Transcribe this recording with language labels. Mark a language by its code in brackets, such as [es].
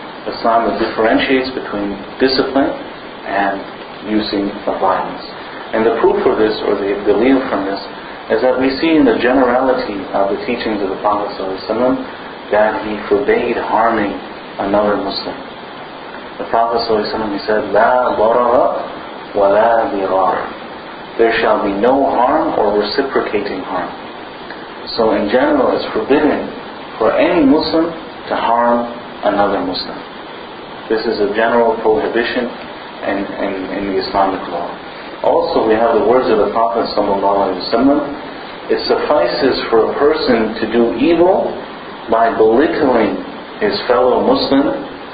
[en] Islam differentiates between discipline and using of violence. And the proof for this, or the belief from this, is that we see in the generality of the teachings of the Prophet ﷺ that he forbade harming another Muslim. The Prophet ﷺ, he said, [ar] لَا ضَرَرَ وَلَا ضِرَارَ. [en] There shall be no harm or reciprocating harm. So in general, it's forbidden for any Muslim to harm another Muslim. This is a general prohibition in the Islamic law. Also, we have the words of the Prophet sallallahu alaihi wasallam: it suffices for a person to do evil by belittling his fellow Muslim.